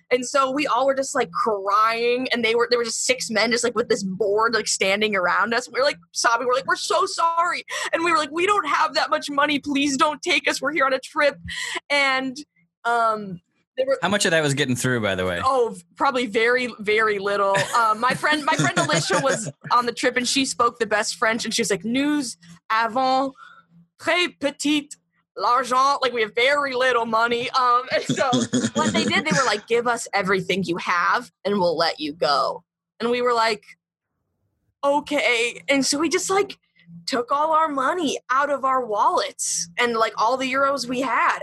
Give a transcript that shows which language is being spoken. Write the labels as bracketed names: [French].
[English] And so we all were just like crying. And there were just six men just like with this board like standing around us. We were like sobbing. We're like, we're so sorry. And we were like, we don't have that much money. Please don't take us. We're here on a trip. And how much of that was getting through, by the way? Oh, probably very, very little. My friend Alicia was on the trip and she spoke the best French. And she's like, [French] nous avons très petite l'argent. [English] Like, we have very little money. And so what they did, they were like, give us everything you have and we'll let you go. And we were like, okay. And so we just like took all our money out of our wallets and like all the euros we had.